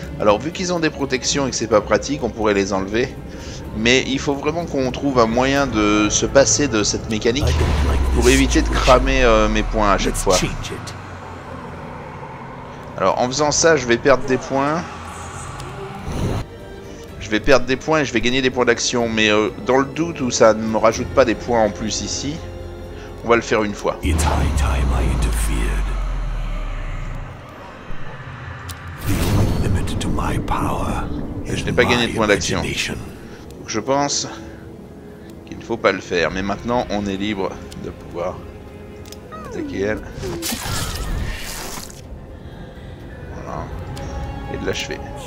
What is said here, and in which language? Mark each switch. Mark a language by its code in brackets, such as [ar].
[fr] Alors, vu qu'ils ont des protections et que c'est pas pratique, on pourrait les enlever. Mais il faut vraiment qu'on trouve un moyen de se passer de cette mécanique pour éviter de cramer mes points à chaque fois. Alors, en faisant ça, je vais perdre des points. Je vais perdre des points et je vais gagner des points d'action. Mais dans le doute où ça ne me rajoute pas des points en plus ici, on va le faire une fois. [en] It's high time I interfered. The only limit to my power is [fr] je n'ai pas gagné [en] my [fr] de points d'action. Donc, je pense qu'il ne faut pas le faire. Mais maintenant, on est libre de pouvoir attaquer elle. Et de l'achever.